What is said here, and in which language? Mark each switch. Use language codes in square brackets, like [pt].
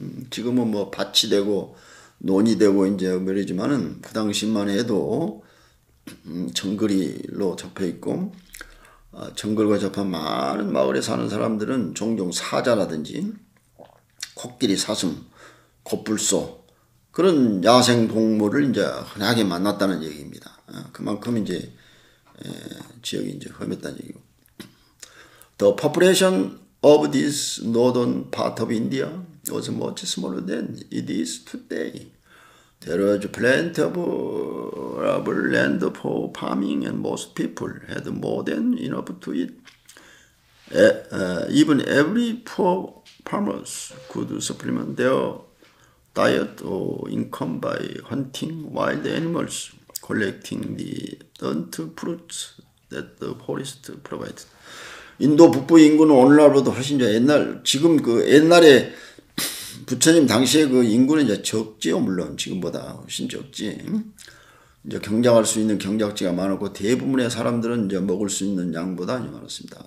[ko] 지금은 뭐 밭이 되고, 논이 되고 이제 그러지만은 그 당시만 해도 정글이로 접해 있고 정글과 접한 많은 마을에 사는 사람들은 종종 사자라든지 코끼리, 사슴, 곱불소 그런 야생 동물을 이제 흔하게 만났다는 얘기입니다. 그만큼 이제 지역이 이제 험했다는 얘기고. [en] The population of this northern part of India was much smaller than it is today. There was plenty of arable land for farming and most people had more than enough to eat. Even every poor farmers could supplement their diet or income by hunting wild animals, collecting the dunt fruits that the forest provided. [ko] 인도 북부 인구는 오늘날보다 훨씬 더 옛날, 지금 그 옛날에 부처님 당시에 그 인구는 이제 적지요, 물론. 지금보다 훨씬 적지. 이제 경작할 수 있는 경작지가 많았고, 대부분의 사람들은 이제 먹을 수 있는 양보다 많았습니다.